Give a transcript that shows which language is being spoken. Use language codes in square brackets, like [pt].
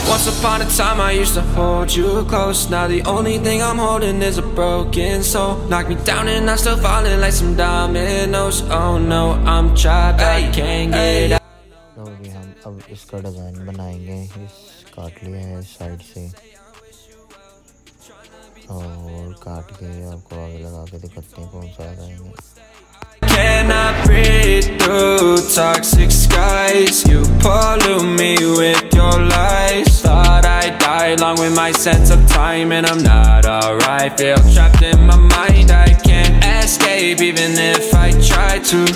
[en] Once upon a time I used to hold you close. Now the only thing I'm holding is a broken soul. Knock me down and I'm still falling like some dominoes. Oh no, I'm trapped, I can't get out. So we have a design of this. It's cut from the side. [hi] और काट के आपको आगे लगा के दिखाते हैं कौन सा लगाएंगे. [en] Can I breathe through toxic skies? You pollute me with your lies. Thought I'd die along with my sense of time and I'm not alright. Feel trapped in my mind, I can't escape even if I try to.